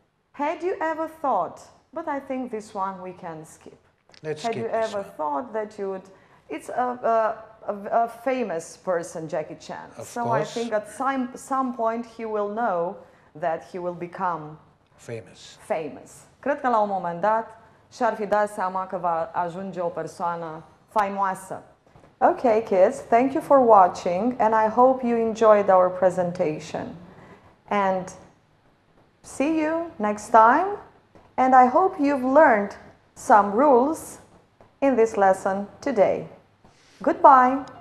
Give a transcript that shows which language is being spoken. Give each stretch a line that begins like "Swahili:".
English: Had you ever thought, but I think this one we can skip. Had you ever thought that you would, it's a famous person, Jackie Chan. Of course. I think at some point he will know that he will become famous. Famous.
Romanian: Cred că la un moment dat și-ar fi dat seama că va ajunge o persoană faimoasă.
English: Okay, kids, thank you for watching and I hope you enjoyed our presentation. And see you next time. And I hope you've learned some rules in this lesson today. Goodbye.